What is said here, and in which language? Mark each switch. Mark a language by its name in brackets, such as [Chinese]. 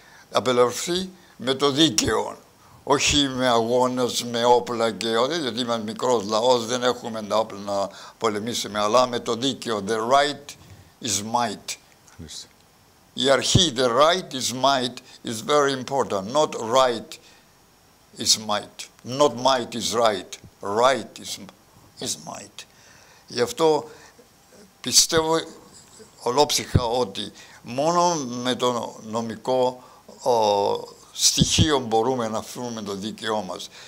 [Greek] Απελευθερωθεί με το δίκαιο. Όχι με αγώνες, με όπλα και όλα, γιατί είμαστε μικρός λαός, δεν έχουμε τα όπλα να πολεμήσουμε, αλλά με το δίκαιο. [English] The right is might. [Greek] Η αρχή, [English] the right is might, is very important. Not right is might. Not might is right. Right is might. [Greek] Γι' αυτό πιστεύω ολόψυχα ότι μόνο με το νομικό στοιχείο μπορούμε να φέρουμε το δίκαιό μας.